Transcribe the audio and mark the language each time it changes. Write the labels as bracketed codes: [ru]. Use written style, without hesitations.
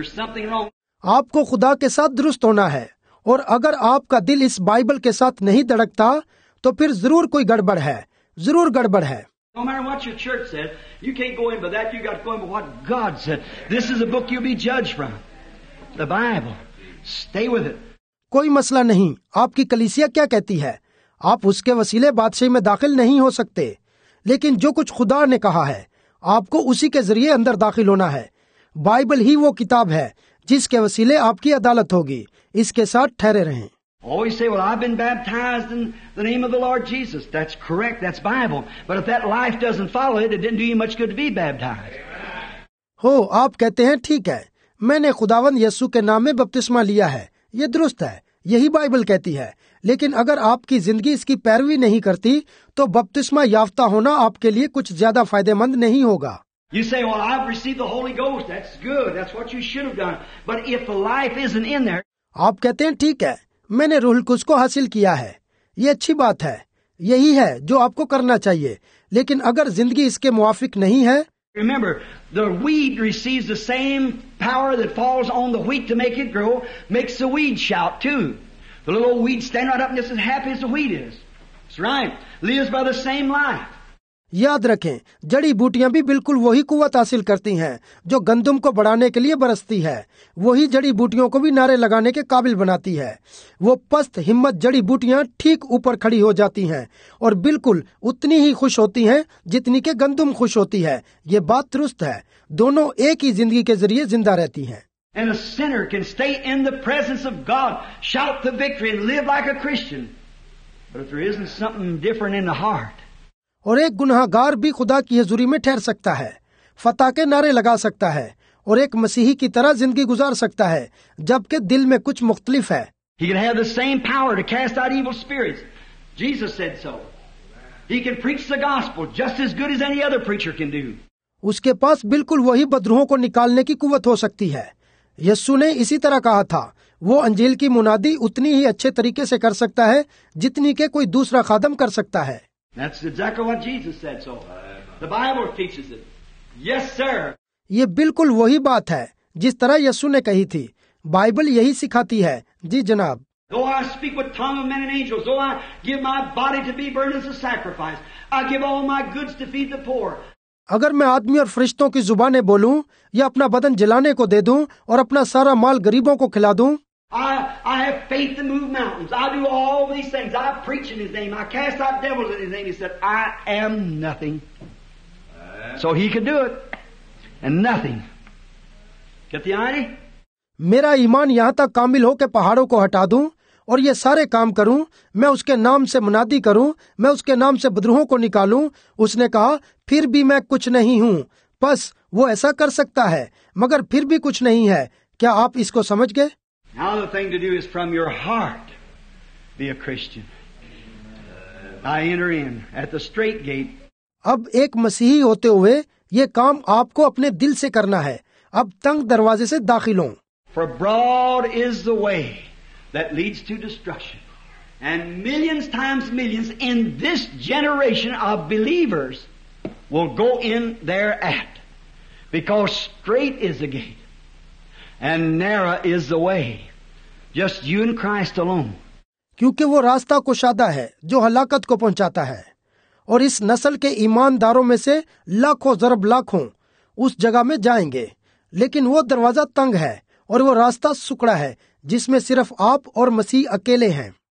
[hi] आपको खुदा के साथ दुरुस्त होना है, और अगर आपका दिल इस बाइबल के साथ नहीं धड़कता तो फिर जरूर कोई गड़बड़ है, जरूर गड़बड़ है। [en] No matter what your church said, you can't go in by that, you got to go in by what God said. This is a book you'll be judged from. The Bible. Stay with it. [hi] कोई मसला नहीं, आपकी कलीसिया क्या कहती है, आप उसके वसीले बादशाही में दाखिल नहीं हो सकते, लेकिन जो कुछ खुदा ने कहा है आपको उसी के जरिए अंदर दाखिल होना है। बाइबल ही वो किताब है जिसके वसीले आपकी अदालत होगी। इसके साथ ठहरे रहें। [en] Always say, well, I've been baptized in the name of the Lord Jesus. That's correct, that's Bible. But if that life doesn't follow it, it didn't do you much good to be baptized. [hi] हो, आप कहते हैं ठीक है, मैंने खुदावंद यीशु के नाम में बपतिस्मा लिया है, ये दुरुस्त है, यही बाइबल कहती है, लेकिन अगर आपकी जिंदगी इसकी पैरवी नहीं करती तो बपतिस्मा याफ्ता होना आपके लिए कुछ ज्यादा फायदेमंद नहीं होगा। [en] You say, well, I've received the Holy Ghost. That's good. That's what you should have done. But if the life isn't in there, [hi] आप कहते हैं ठीक है, मैंने रूहुल कुछ को हासिल किया है, ये अच्छी बात है, यही है जो आपको करना चाहिए, लेकिन अगर जिंदगी इसके मुआफिक नहीं है। [en] Remember, the weed receives the same power that falls on the wheat to make it grow, makes the weed shout too. The little weed stands right up and is as happy as the wheat is. That's right. Lives by the same life. [hi] याद रखें, जड़ी बूटियां भी बिल्कुल वही कुवत हासिल करती हैं जो गंदुम को बढ़ाने के लिए बरसती है। वही जड़ी बूटियों को भी नारे लगाने के काबिल बनाती है। वो पस्त हिम्मत जड़ी बूटियां ठीक ऊपर खड़ी हो जाती हैं और बिल्कुल उतनी ही खुश होती हैं जितनी के गंदुम खुश होती है। ये बात दुरुस्त है, दोनों एक ही जिंदगी के जरिए जिंदा रहती है। [en] And a sinner can stay in the presence of God, shout the victory and live like a Christian. But if there isn't something different in the heart, [hi] और एक गुनाहगार भी खुदा की हजूरी में ठहर सकता है, फतह के नारे लगा सकता है और एक मसीही की तरह जिंदगी गुजार सकता है जबकि दिल में कुछ मुख्तलिफ है। [en] He can have the same power to cast out evil spirits. Jesus said so. He can preach the gospel just as good as any other preacher can do. [hi] उसके पास बिल्कुल वही बदरुहों को निकालने की कुव्वत हो सकती है। यीशु ने इसी तरह कहा था, वो अंजील की मुनादी उतनी ही अच्छे तरीके से कर सकता है जितनी के कोई दूसरा खादम कर सकता है। [en] That's exactly what Jesus said. So, the Bible teaches it. Yes, sir. [hi] ये बिल्कुल वही बात है जिस तरह यीशु ने कही थी। बाइबल यही सिखाती है, जी जनाब। [en] Though I speak with tongues of men and angels, though I give my body to be burned as a sacrifice, I give all my goods to feed the poor. [hi] अगर मैं आदमी और फरिश्तों की जुबानें बोलूं या अपना बदन जलाने को दे दूं और अपना सारा माल गरीबों को खिला दूं। [en] I have faith to move mountains. I do all these things. I preach in his name. I cast out devils in his name. He said, I am nothing. So he can do it. and nothing. Get the idea? [hi] मेरा ईमान यहाँ तक कामिल हो के पहाड़ों को हटा दूं और ये सारे काम करूं, मैं उसके नाम से मुनादी करूं, मैं उसके नाम से बद्रुहों को निकालूं। उसने कहा, फिर भी मैं कुछ नहीं हूं। बस वो ऐसा कर सकता है, मगर फिर भी कुछ नहीं है। क्या आप इसको समझ गए? [en] Now the thing to do is from your heart be a Christian. I enter in at the straight gate. [hi] अब एक मसीही होते हुए ये काम आपको अपने दिल से करना है। अब तंग दरवाजे से दाखिल हों। [en] For broad is the way that leads to destruction, and millions times millions in this generation of believers will go in thereat, because straight is the gate, and narrow is the way, just you and Christ alone. [hi] क्योंकि वो रास्ता कुशादा है जो हलाकत को पहुंचाता है, और इस नस्ल के ईमानदारों में से लाखों जरब लाखों उस जगह में जाएंगे, लेकिन वो दरवाजा तंग है और वो रास्ता सुकड़ा है जिसमें सिर्फ आप और मसीह अकेले हैं।